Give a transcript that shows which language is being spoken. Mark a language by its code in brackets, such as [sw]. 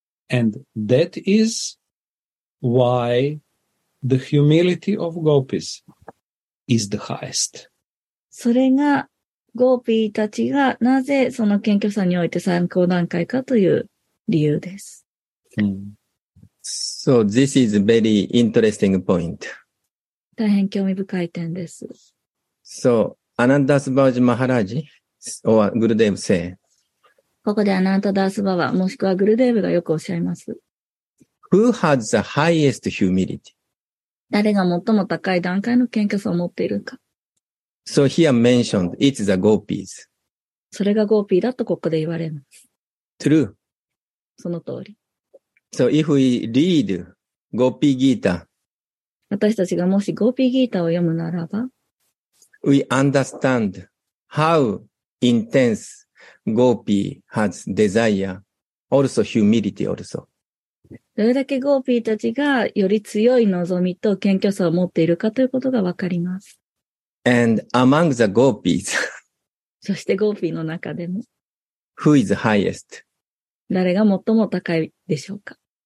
[en] And that is why the humility of gopis is the highest. [ja] それがゴーピーたちがなぜその謙虚さにおいて最高段階かという理由です。 [en] So this is a very interesting point. [ja] 大変興味深い点です。 [en] So, Anandas Bhavaji Maharaj or Gurudev say. [ja] ここでアナンタダースババもしくはグルデーブがよくおっしゃいます。 [en] Who has the highest humility? [ja] 誰が最も高い段階の謙虚さを持っているか。 [en] So here mentioned, it's the gopis. [ja] それがゴーピーだとここで言われます。 [en] True. [ja] その通り。 [en] So if we read Gopi Gita, [ja] 私たちがもしゴーピーギータを読むならば、 [en] we understand how intense Gopi has desire, also humility also. [ja] どれだけゴーピーたちがより強い望みと謙虚さを持っているかということがわかります。 [en] And among the gopis, [ja] そしてゴーピーの中でも、 [en] who is highest? [ja] 誰が最も高いでしょうか?